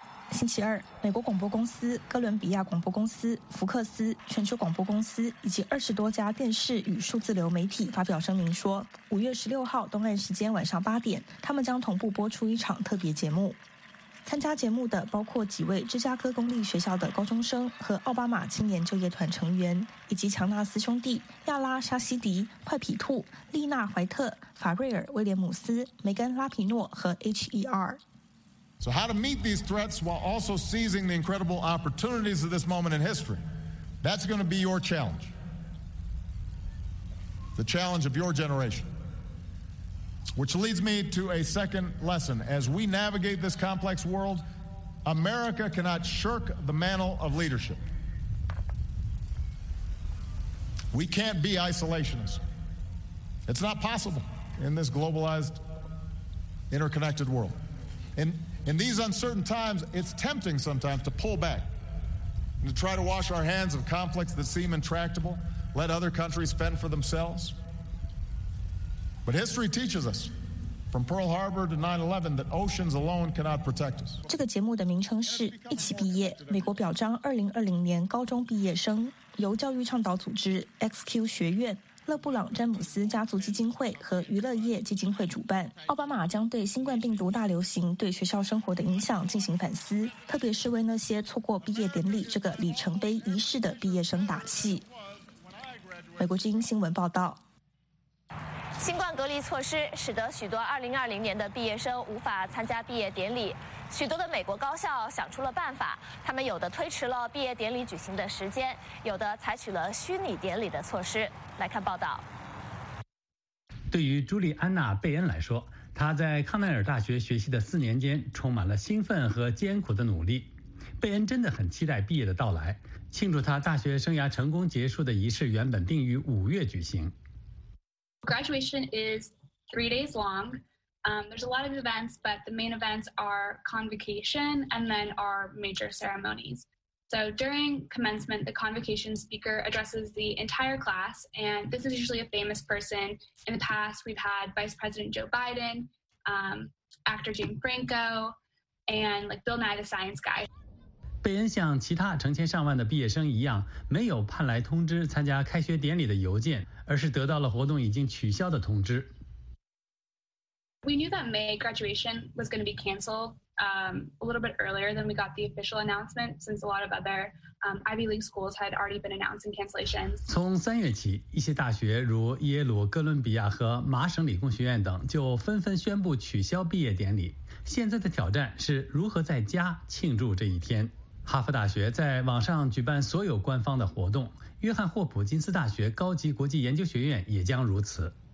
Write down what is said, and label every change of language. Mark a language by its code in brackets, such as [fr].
[zh] 星期二，美国广播公司、哥伦比亚广播公司、福克斯、全球广播公司以及20多家电视与数字流媒体发表声明说，5月16号东岸时间晚上8点，他们将同步播出一场特别节目。参加节目的包括几位芝加哥公立学校的高中生和奥巴马青年就业团成员，以及乔纳斯兄弟、亚拉沙西迪、坏皮兔、丽娜怀特、法瑞尔威廉姆斯、梅根拉皮诺和 HER。 [en] So how to meet these threats while also seizing the incredible opportunities of this moment in history? That's going to be your challenge. The challenge of your generation. Which leads me to a second lesson. As we navigate this complex world, America cannot shirk the mantle of leadership. We can't be isolationists. It's not possible in this globalized, interconnected world. In these uncertain times, it's tempting sometimes to pull back and to try to wash our hands of conflicts that seem intractable, let other countries fend for themselves. But history teaches us, from Pearl Harbor to 9/11, that oceans alone cannot protect us. [zh] 这个节目的名称是《一起毕业：美国表彰2020年高中毕业生》，由教育倡导组织 XQ 学院、勒布朗詹姆斯家族基金会和娱乐业基金会主办。奥巴马将对新冠病毒大流行对学校生活的影响进行反思，特别是为那些错过毕业典礼这个里程碑仪式的毕业生打气。美国之音新闻报道。新冠隔离措施使得许多2020年的毕业生无法参加毕业典礼，许多的美国高校想出了办法，他们有的推迟了毕业典礼举行的时间，有的采取了虚拟典礼的措施。来看报道。对于朱莉安娜·贝恩来说，她在康奈尔大学学习的四年间充满了兴奋和艰苦的努力。贝恩真的很期待毕业的到来，庆祝她大学生涯成功结束的仪式原本定于五月举行。 [en] Graduation is 3 days long. There's a lot of events, but the main events are convocation and then our major ceremonies. So during commencement, the convocation speaker addresses the entire class, and this is usually a famous person. In the past, we've had Vice President Joe Biden, actor James Franco, and like Bill Nye, the science guy. [zh] 贝恩像其他成千上万的毕业生一样，没有盼来通知参加开学典礼的邮件。而是得到了活动已经取消的通知。 [en] We knew that May graduation was going to be canceled a little bit earlier than we got the official announcement, since a lot of other Ivy League schools had already been announcing cancellations. [zh] 从三月起，一些大学如耶鲁、哥伦比亚和麻省理工学院等就纷纷宣布取消毕业典礼。现在的挑战是如何在家庆祝这一天。哈佛大学在网上举办所有官方的活动。约翰霍普金斯大学高级国际研究学院也将如此。